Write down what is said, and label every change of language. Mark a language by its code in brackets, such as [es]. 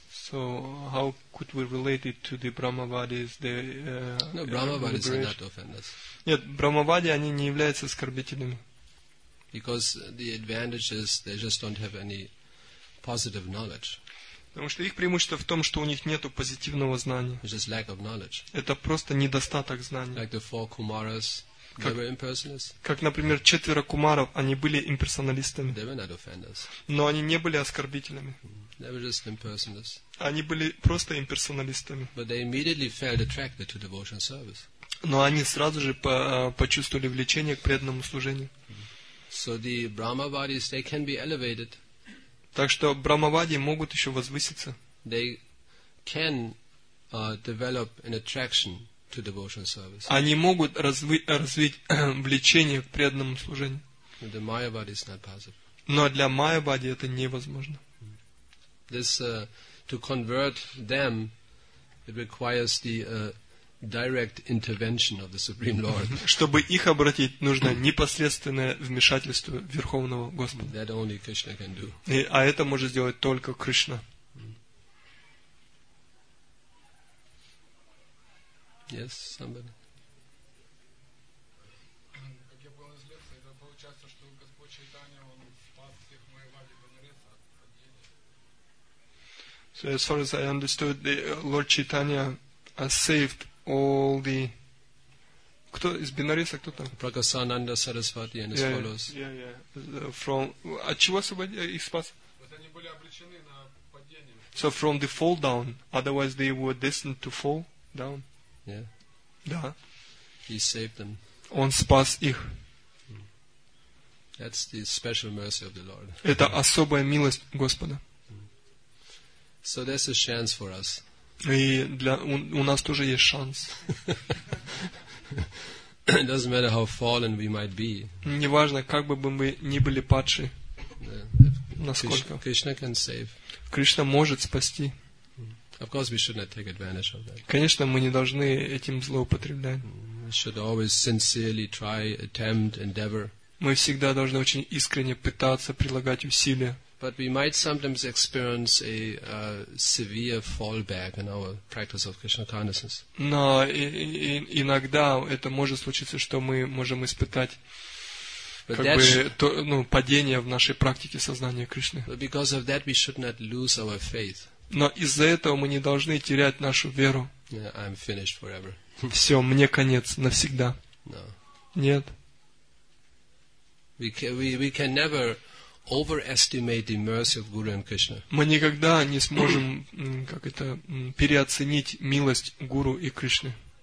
[en] So how could we relate it to the Brahmavadis? No, Brahmavadis are not offenders. [ru] Нет, Брахмавади они не являются оскорбителями. [en] Because the advantage is they just don't have any positive knowledge. [ru] Потому что их преимущество в том, что у них нет позитивного знания. [en] It's just lack of knowledge. [ru] Это просто недостаток знаний. [en] Like the four Kumaras, they were impersonalists. [ru] Как, например, четверо кумаров, они были имперсоналистами. [en] They were not offenders. [ru] Но они не были оскорбителями. [en] They were just impersonalists. [ru] Они были просто имперсоналистами. [en] But they immediately felt attracted to devotion service. [ru] Но они сразу же почувствовали влечение к преданному служению. [en] So the Brahmavadis, they can be elevated. [ru] Так что брахмавади могут еще возвыситься. [en] They can develop an attraction to devotional service. [ru] Они могут развить влечение к преданному служению. [en] But the Mayavadi is not possible. [ru] Но для Майявади это невозможно. [en] This to convert them, it requires the direct intervention of the Supreme Lord. [ru] Чтобы их обратить, нужно непосредственное вмешательство Верховного Господа. [en] That only Krishna can do. [ru] А это может сделать только Кришна. [en] Yes, somebody. So as far as I understood, the Lord Chaitanya saved all the. [ru] Кто из Бинариса, кто там? [en] Прагасананда Сарасвати and his followers. From [ru] от чего освободил их спас? Вот они были обречены на падение. [en] So from the fall down, otherwise they were destined to fall down. Yeah. [ru] Да. [en] He saved them. [ru] Он спас их. [en] That's the special mercy of the Lord. [ru] Это особая милость Господа. [en] So there's a chance for us. [ru] И для у нас тоже есть шанс. [en] It doesn't matter how fallen we might be. [ru] Неважно, как бы мы ни были падши. Насколько? [en] Krishna can save. [ru] Кришна может спасти. [en] Of course, we should not take advantage of that. [ru] Конечно, мы не должны этим злоупотреблять. [en] We should always sincerely try, attempt, endeavor. [ru] Мы всегда должны очень искренне пытаться прилагать усилия. [en] But we might sometimes experience a severe fallback in our practice of Krishna consciousness. [ru] Но иногда это может случиться, что мы можем испытать падение в нашей практике сознания Кришны. [en] But because of that, we should not lose our faith. [ru] Но из-за этого мы не должны терять нашу веру. [en] Yeah, I'm finished forever. [ru] Все, мне конец навсегда. [en] No. [ru] Нет. [en] We can never overestimate the mercy of Guru and Krishna. [ru] Мы никогда не сможем как это переоценить милость Гуру и Кришны.